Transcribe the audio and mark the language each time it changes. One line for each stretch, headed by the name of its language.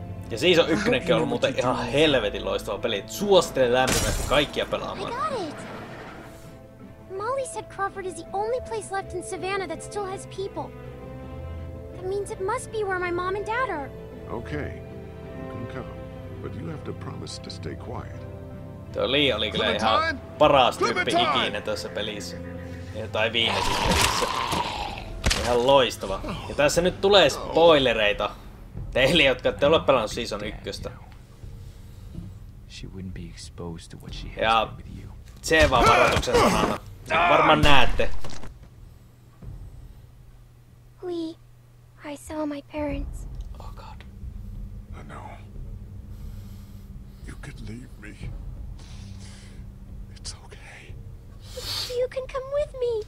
Finnish: Ja Season 1 on ollut muuten ihan helvetin loistava peli. Suosittelen lämpimästi kaikkia pelaamaan.
English: Molly said Crawford is the only place left in Savannah that still has people. That means it must be where my mom and dad are. Okay, you can come, but you have to promise to stay quiet.
Finnish: Toi Lee oli kyllä ihan paras tyyppi ikinä tässä pelissä. Tai viimeisessä pelissä. Ihan loistava. Ja tässä nyt tulee spoilereita teille, jotka ette ole pelannut Season 1.
English: She wouldn't be exposed to what she has been with you.
Finnish: Se vaan varoituksen sanana. Varmaan näette.
English: We, I saw my parents. Oh God. I know. You could leave me. It's okay. You can come with me.